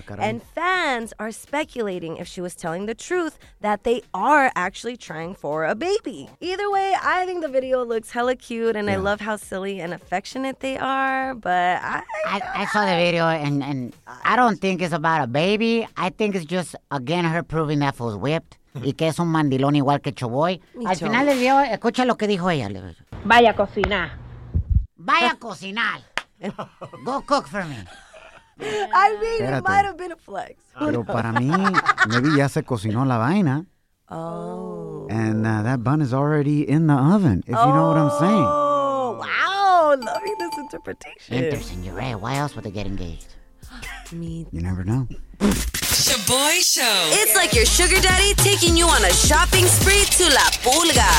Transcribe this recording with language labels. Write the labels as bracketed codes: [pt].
[en] And fans are speculating if she was telling the truth that they are actually trying for a baby. Either way, I think the video looks hella cute, and yeah, I love how silly and affectionate they are, but I saw the video, and I don't think it's about a baby. I think it's just, again, her proving that fool's whipped. [es] Y que es un mandilón igual que Choboy. Al final del video, escucha lo que dijo ella. Vaya a cocinar. Vaya a cocinar. [en] Go cook for me. I mean, [es] espérate, [en] it might have been a flex. [es] Pero para mí, [en] maybe [es] ya se cocinó la vaina. [en] Oh. And that bun is already in the oven, if you know what I'm saying. Oh, wow. Loving this interpretation. Interesting. You're right. Why else would they get engaged? Me. You never know. Shaboy Show. It's like your sugar daddy taking you on a shopping spree to La Pulga.